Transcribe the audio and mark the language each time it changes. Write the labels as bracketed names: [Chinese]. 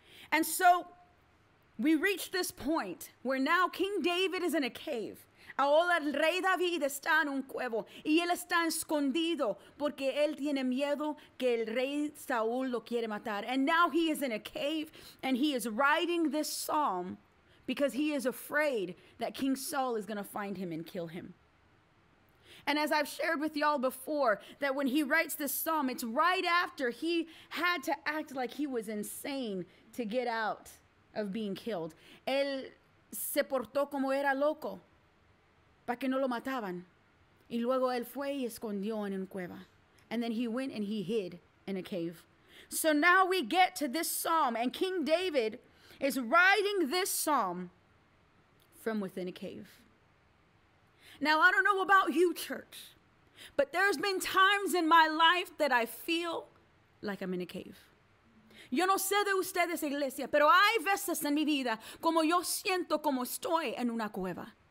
[English] And so we reach this point where now King David is in a cave. [Spanish] Ahora el rey David está en un cuevo y él está escondido porque él tiene miedo que el rey Saúl lo quiere matar. [English] And now he is in a cave and he is writing this psalm because he is afraid that King Saul is going to find him and kill him. And as I've shared with y'all before, that when he writes this psalm, it's right after he had to act like he was insane to get out of being killed. [Spanish] Él se portó como era loco para que no lo mataban. Y luego él fue y escondió en una cueva. [English] And then he went and he hid in a cave. So now we get to this psalm, and King David is writing this psalm from within a cave. Now, I don't know about you, church, but there's been times in my life that I feel like I'm in a cave. [Spanish] Yo no sé de ustedes, iglesia, pero hay veces en mi vida como yo siento como estoy en una cueva.